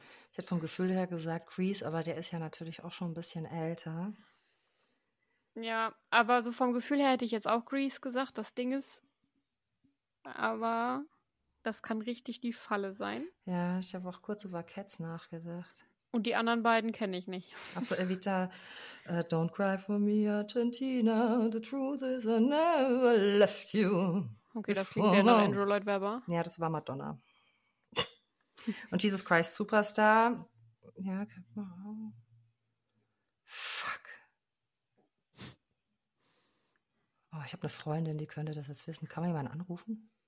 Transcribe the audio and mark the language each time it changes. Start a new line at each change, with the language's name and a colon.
German: Ich hätte vom Gefühl her gesagt Grease, aber der ist ja natürlich auch schon ein bisschen älter. Ja, aber so vom Gefühl her hätte ich jetzt auch Grease gesagt, das Ding ist. Aber das kann richtig die Falle sein. Ja, ich habe auch kurz über Cats nachgedacht. Und die anderen beiden kenne ich nicht.
English: Also Evita, don't cry for me, Argentina, the truth is I never left you.
German: Okay, das klingt ja nach Andrew Lloyd Webber. Ja, das war Madonna. Und Jesus Christ Superstar. Ja, fuck. Oh, ich habe eine Freundin, die könnte das jetzt wissen. Kann man jemanden anrufen?